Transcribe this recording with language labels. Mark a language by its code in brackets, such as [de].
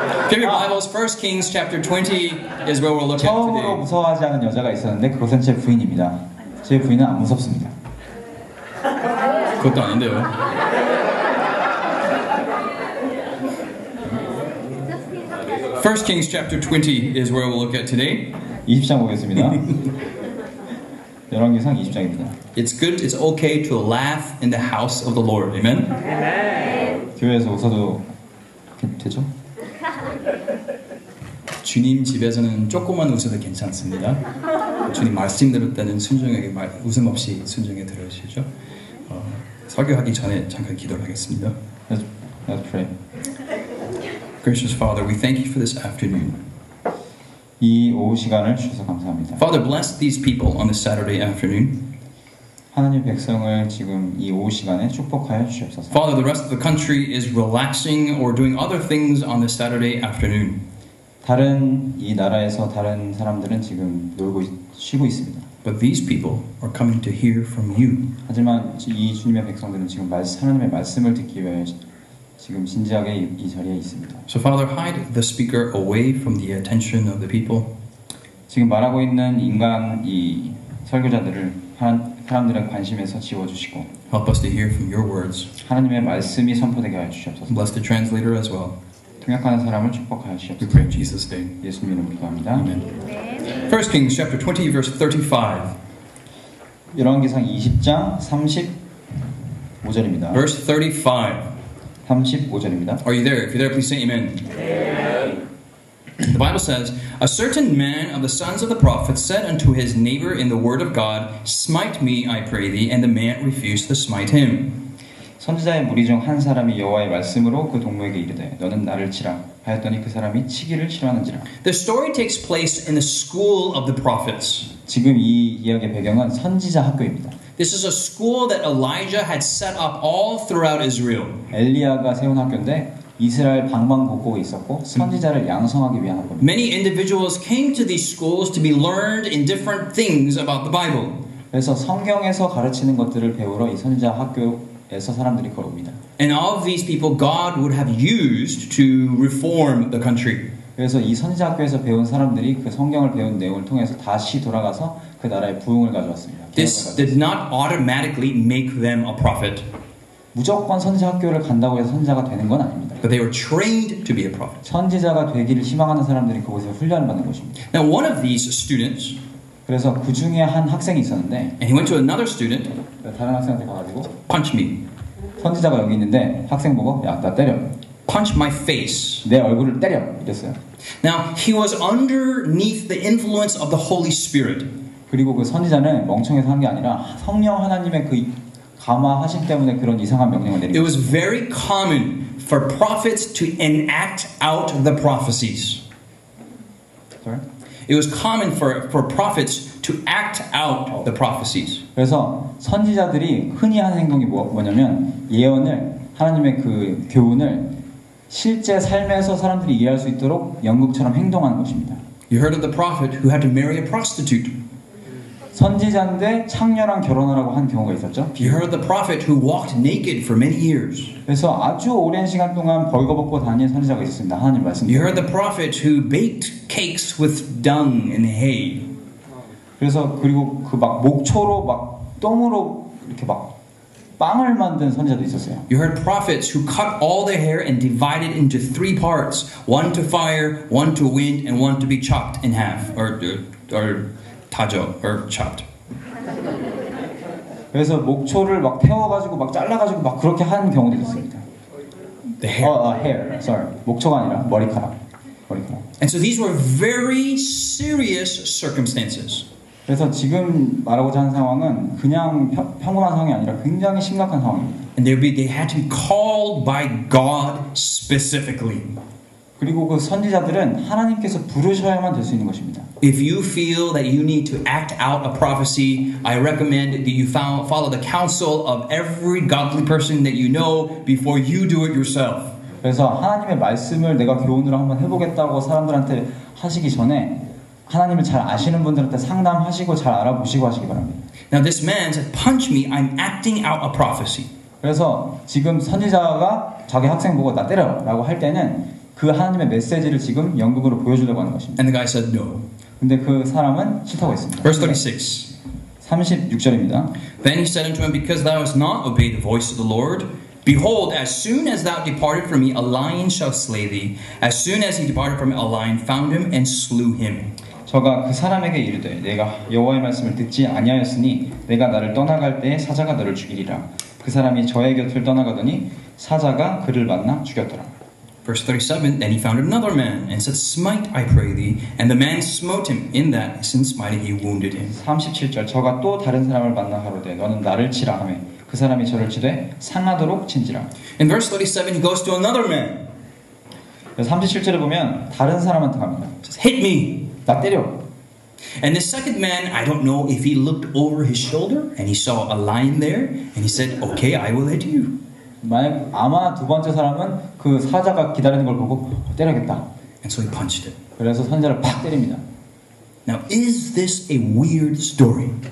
[en] Give me Bibles. 1 Kings chapter 20 is where we're looking at today. [ko] 처음으로 무서워하지 않은 여자가 있었는데 그것은 제 부인입니다. 제 부인은 안 무섭습니다. 그것도 아닌데요. [en] First Kings chapter 20 is where we'll look at today. [ko] 20장 보겠습니다. 열왕기상 20장입니다. [en] It's good, it's okay to laugh in the house of the Lord. Amen. Amen. [ko] 교회에서 웃어도 되죠? 주님 집에서는 조금만 웃어도 괜찮습니다. 주님 말씀 들을 때는 순종하게 웃음 없이 순종해 들으시죠. 설교하기 전에 잠깐 기도하겠습니다. [en] Let's pray. Gracious Father, we thank you for this afternoon. [ko] 이 오후 시간을 주셔서 감사합니다. [en] Father, bless these people on this Saturday afternoon. [ko] 하나님 백성을 지금 이 오후 시간에 축복하여 주시옵소서. [en] Father, the rest of the country is relaxing or doing other things on this Saturday afternoon. [ko] 다른 이 나라에서 다른 사람들은 지금 놀고 쉬고 있습니다. [en] But these people are coming to hear from you. [ko] 하지만 이 주님의 백성들은 지금 하나님의 말씀을 듣기 위해 지금 진지하게 이 자리에 있습니다. [en] So Father, hide the speaker away from the attention of the people. [ko] 지금 말하고 있는 인간 이 설교자들을 사람들의 관심에서 지워주시고. [en] Help us to hear from your words. [ko] 하나님의 말씀이 선포되게 하여 주시옵소서. [en] Bless the translator as well. [ko] 통역하는 사람을 축복하시옵소서. [en] We pray in Jesus' name. [ko] 예수님 이름으로 기도합니다. [en] Amen. 1 Kings chapter 20 verse 35. [ko] 열왕기상 20장 35절입니다. [en] Verse 35. [ko] 35절입니다. [en] Are you there? If you're there, please say amen. Amen. The Bible says, "A certain man of the sons of the prophets said unto his neighbor in the word of God, Smite me, I pray thee, and the man refused to smite him." [ko] 선지자의 무리 중 한 사람이 여호와의 말씀으로 그 동무에게 이르되 너는 나를 치라 하였더니 그 사람이 치기를 싫어하는지라. [en] The story takes place in the school of the prophets. [ko] 지금 이 이야기의 배경은 선지자 학교입니다. [en] This is a school that Elijah had set up all throughout Israel. [ko] 엘리야가 세운 학교인데 이스라엘 방방곡곡에 있었고 선지자를 양성하기 위한 겁니다. [en] Many individuals came to these schools to be learned in different things about the Bible. [ko] 그래서 성경에서 가르치는 것들을 배우러 이 선지자 학교 [en] And all of these people God would have used to reform the country. [ko] 그래서 이 선지자 학교에서 배운 사람들이 그 성경을 배운 내용을 통해서 다시 돌아가서 그 나라의 부흥을 가져왔습니다. [en] This did not automatically make them a prophet. [ko] 무조건 선지자 학교를 간다고 해서 선지자가 되는 건 아닙니다. [en] But they were trained to be a prophet. [ko] 선지자가 되기를 희망하는 사람들이 그곳에서 훈련을 받는 것입니다. [en] Now one of these students. [ko] 그래서 그 중에 한 학생이 있었는데 [en] And he went to another student. [ko] 다른 학생한테 가가지고 [en] Punch me. [ko] 선지자가 여기 있는데 학생 보고 야, 나 때려. [en] Punch my face. [ko] 내 얼굴을 때려. 이랬어요. [en] Now he was underneath the influence of the Holy Spirit. [ko] 그리고 그 선지자는 멍청해서 한 게 아니라 성령 하나님의 그 감화하심 때문에 그런 이상한 명령을 내린 거예요. [en] It was very common for prophets to enact out the prophecies. Sorry? It was common for prophets to act out the prophecies. [ko] 그래서 선지자들이 흔히 하는 행동이 뭐냐면 예언을 하나님의 그 교훈을 실제 삶에서 사람들이 이해할 수 있도록 연극처럼 행동하는 것입니다. [en] You heard of the prophet who had to marry a prostitute. [ko] 선지자인데 창녀랑 결혼하라고 한 경우가 있었죠. [en] You heard of the prophet who walked naked for many years. [ko] 그래서 아주 오랜 시간 동안 벌거벗고 다니는 선지자가 있었습니다. 하나님 말씀. [en] You heard the prophet who baked cakes with dung and hay. [ko] 그래서 그리고 그 막 목초로 막 똥으로 이렇게 막 빵을 만든 선지자도 있었어요. [en] You heard prophets who cut all the hair and divided into three parts, one to fire, one to wind, and one to be chopped in half. Or [ko] 타죠, [en] or chopped. [ko] 그래서 목초를 막 태워가지고 막 잘라가지고 막 그렇게 한 경우도 있습니다. [en] The hair. Hair. Sorry. [ko] 목초가 아니라 머리카락. 머리카락. [en] And so these were very serious circumstances. [ko] 그래서 지금 말하고자 하는 상황은 그냥 평범한 상황이 아니라 굉장히 심각한 상황입니다. [en] And they had to be called by God specifically. [ko] 그리고 그 선지자들은 하나님께서 부르셔야만 될 수 있는 것입니다. [en] If you feel that you need to act out a prophecy, I recommend that you follow the counsel of every godly person that you know before you do it yourself. [ko] 그래서 하나님의 말씀을 내가 교훈으로 한번 해보겠다고 사람들한테 하시기 전에 하나님을 잘 아시는 분들한테 상담하시고 잘 알아보시고 하시기 바랍니다. [en] Now this man said, "Punch me, I'm acting out a prophecy." [ko] 그래서 지금 선지자가 자기 학생 보고 나 때려라고 할 때는 그 하나님의 메시지를 지금 연극으로 보여주려고 하는 것입니다. [en] And the guy said no. [ko] 근데 그 사람은 싫다고 했습니다. [en] Verse 36. [ko] 36절입니다. [en] Then he said unto him, Because thou hast not obeyed the voice of the Lord, behold, as soon as thou departed from me, a lion shall slay thee. As soon as he departed from me, a lion found him and slew him. [ko] 저가 그 사람에게 이르되 내가 여호와의 말씀을 듣지 아니하였으니 내가 나를 떠나갈 때에 사자가 너를 죽이리라. 그 사람이 저의 곁을 떠나가더니 사자가 그를 만나 죽였더라. [en] Verse 37, then he found another man, and said, Smite, I pray thee. And the man smote him in that, since mighty he wounded him. [ko] 37절, 저가 또 다른 사람을 만나 가로되, 너는 나를 치라 하매. 그 사람이 저를 치되, 상하도록 친지라. [en] In verse 37, he goes to another man. [ko] 37절을 보면, 다른 사람한테 갑니다. [en] Just hit me. [ko] 나 때려. [en] And the second man, I don't know if he looked over his shoulder, and he saw a lion there, and he said, Okay, I will hit you. [ko] 만약 아마 두 번째 사람은 그 사자가 기다리는 걸 보고 때려야겠다. [en] And so he punched it. [ko] 그래서 선지자를 팍 때립니다. [en] Now is this a weird story?